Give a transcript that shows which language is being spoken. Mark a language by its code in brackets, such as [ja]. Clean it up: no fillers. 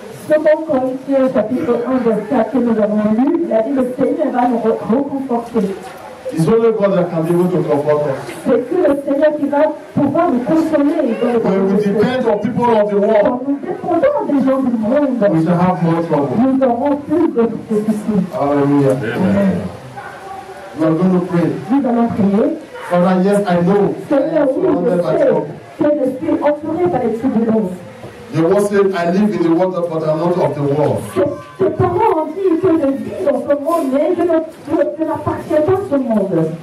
[fr] 2 Corinthians chapter 1 verse 4 que nous avons lu, il a dit le Seigneur va nous reconforter. [en] It's only God that can be able to comfort us. [fr] C'est que le Seigneur qui va pouvoir nous consoler. [en] When we depend on people of the world, [fr] quand nous dépendons des gens du monde, [en] we shall have more trouble. [fr] Nous aurons plus de soucis. Alléluia. Amen. [en] We are going to pray. [fr] Nous allons prier. [en] Father, yes, I know. [fr] Seigneur, oui, je sais que je suis entouré par les tribulations. [en] The word said, I live in the world, but I'm not of the world. [fr] Tes parents ont dit que je vis dans ce monde, mais je n'appartiens pas à ce monde.